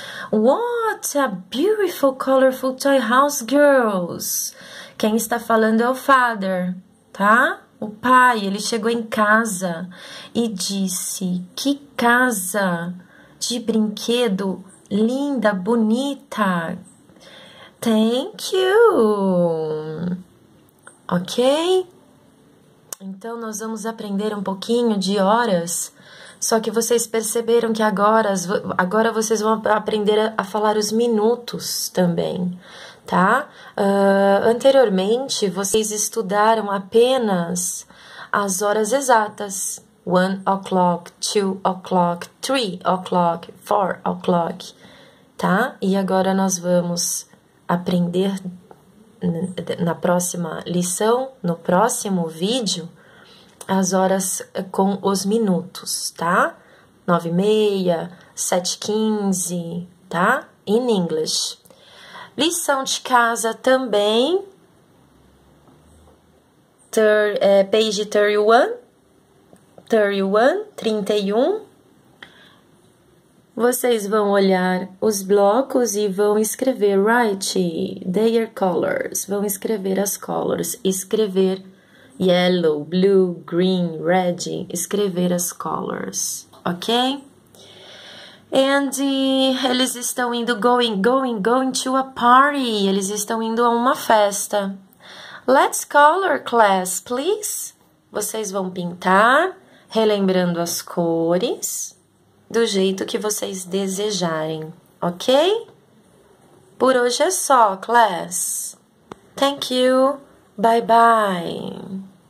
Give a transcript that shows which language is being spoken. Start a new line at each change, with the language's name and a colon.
English: What a beautiful, colorful toy house, girls.
Portuguese: Quem está falando é o father, tá? O pai, ele chegou em casa e disse: "Que casa de brinquedo linda, bonita."
English: Thank you. Ok?
Portuguese: Então nós vamos aprender um pouquinho de horas. Só que vocês perceberam que agora vocês vão aprender a falar os minutos também. Tá? Anteriormente, vocês estudaram apenas as horas exatas.
English: 1 o'clock, 2 o'clock, 3 o'clock, 4 o'clock.
Portuguese: Tá? E agora nós vamos aprender na próxima lição, no próximo vídeo, as horas com os minutos, tá? 9:30, 7:15, tá?
English: In English.
Portuguese: Lição de casa também.
English: Page 31. 31.
Portuguese: Vocês vão olhar os blocos e vão escrever,
English: write their colors.
Portuguese: Vão escrever as colors. Escrever yellow, blue, green, red. Escrever as colors, ok? Andy, eles estão indo,
English: going to a party.
Portuguese: Eles estão indo a uma festa.
English: Let's color class, please.
Portuguese: Vocês vão pintar, relembrando as cores, do jeito que vocês desejarem, ok? Por hoje é só, class.
English: Thank you. Bye bye.